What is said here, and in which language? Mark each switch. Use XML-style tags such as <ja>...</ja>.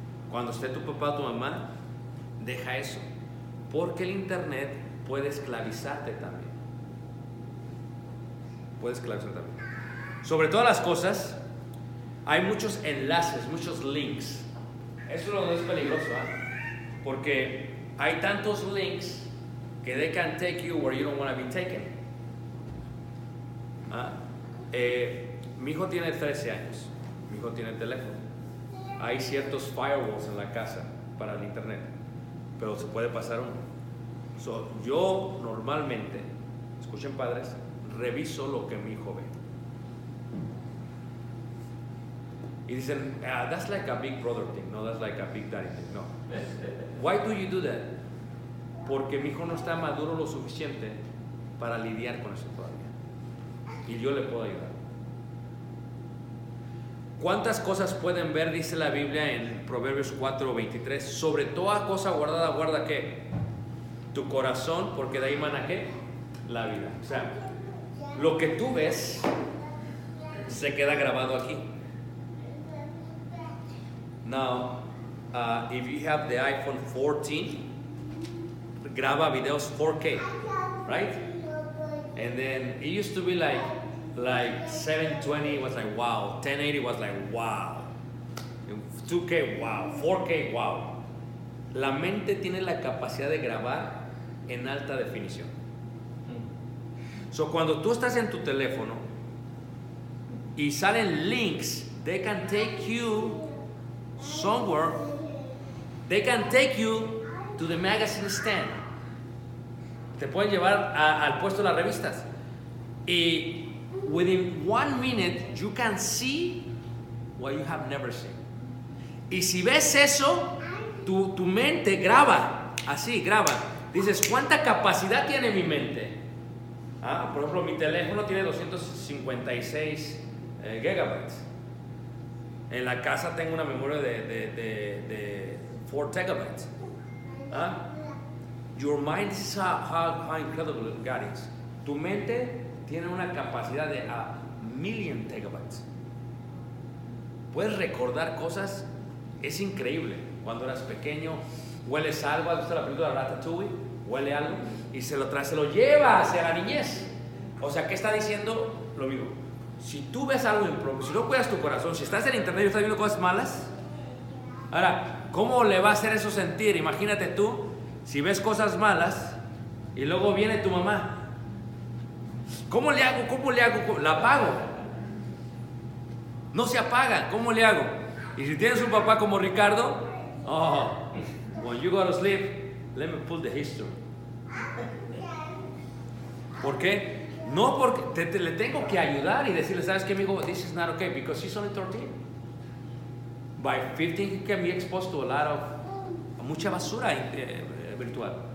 <es>Cuando esté tu papá o tu mamá, deja eso, porque el internet puede esclavizarte también. Puede esclavizarte también. Sobre todas las cosas, hay muchos enlaces, muchos links. Eso es lo que es peligroso, ¿eh? Porque hay tantos links que</es> <en>they can take you where you don't want to be taken.</en> <es>¿Ah? Mi hijo tiene 13 años. Mi hijo tiene el teléfono. Hay ciertos firewalls en la casa para el internet, pero se puede pasar uno. So, yo normalmente, escuchen padres, reviso lo que mi hijo ve. Y dicen,</es> <en>that's like a big brother thing. No, that's like a big daddy thing. No. Why do you do that?</en> <es>Porque mi hijo no está maduro lo suficiente para lidiar con eso todavía. Y yo le puedo ayudar. ¿Cuántas cosas pueden ver, dice la Biblia en Proverbios 4:23? Sobre toda cosa guardada, guarda ¿qué? Tu corazón, porque de ahí emana ¿qué? La vida. O sea, lo que tú ves se queda grabado aquí.</es> <en>Now, if you have the iPhone 14,</en> <es>graba videos 4K,</es> <en>right? And then it used to be like 720 was like wow, 1080 was like wow, 2K wow, 4K wow.</en> <es>La mente tiene la capacidad de grabar en alta definición.</es> <en>So</en> <es>cuando tú estás en tu teléfono y salen links,</es> <en>they can take you somewhere, they can take you to the magazine stand.</en> <es>Te pueden llevar al puesto de las revistas.</es> <en>Y within 1 minute, you can see what you have never seen.</en> <es>Y si ves eso, tu mente graba. Así, graba. Dices, ¿cuánta capacidad tiene mi mente? Ah, por ejemplo, mi teléfono tiene 256 gigabytes. En la casa tengo una memoria de 4 terabytes. ¿Ah?</es> <en>Your mind is how incredible God is.</en> <es>Tu mente tiene una capacidad de</es> <en>a million terabytes.</en> <es>Puedes recordar cosas. Es increíble. Cuando eras pequeño, hueles algo. ¿Has visto la película de Ratatouille? Huele algo y se lo lleva hacia la niñez. O sea, ¿qué está diciendo? Lo mismo. Si tú ves algo impropio, si no cuidas tu corazón, si estás en internet y estás viendo cosas malas, ahora, ¿cómo le va a hacer eso sentir? Imagínate tú, si ves cosas malas y luego viene tu mamá. ¿Cómo le hago? ¿Cómo le hago? ¿La apago? No se apaga. ¿Cómo le hago? Y si tienes un papá como Ricardo,</es> <en>oh, when you go to sleep, let me pull the history.</en> <es>¿Por qué? No, porque te le tengo que ayudar y decirle, ¿sabes qué, amigo?</es> <en>This is not okay, because he's only 13. By 15, he can be exposed to a lot of,</en> <es>mucha basura virtual.</es>